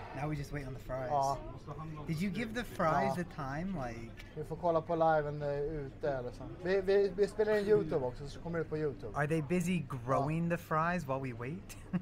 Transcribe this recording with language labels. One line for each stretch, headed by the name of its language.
English: Now we just wait on the fries. Did you give the fries a time like?
Swedish: Vi får kolla på liven ute eller så. Vi spelar in YouTube också, så kommer det på YouTube.
English: Are they busy growing the fries while we wait?